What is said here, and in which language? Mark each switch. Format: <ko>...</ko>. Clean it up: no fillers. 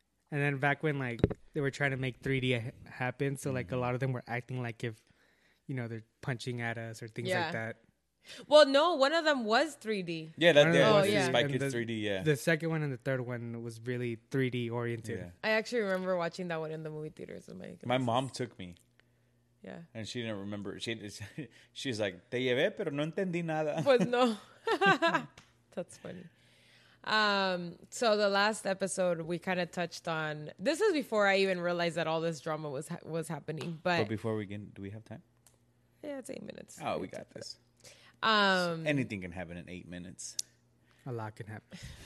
<en>And then back when like they were trying to make 3D happen, so like a lot of them were acting like if you know they're punching at us or things like that. Well, no, one of them was 3D. Yeah, that was Spy Kids 3D, yeah. The second one and the third one was really 3D oriented. Yeah. I actually remember watching that one in the movie theaters. With my mom took me. Yeah. And she didn't remember. She's like,</en> <es>te llevé, pero no entendí nada. Pues no.</es> <en>That's funny. So the last episode, we kind of touched on, this is before I even realized that all this drama was happening. But before we get, do we have time? Yeah, it's 8 minutes. Oh, we got this. Anything can happen in 8 minutes. A lot can happen.</en>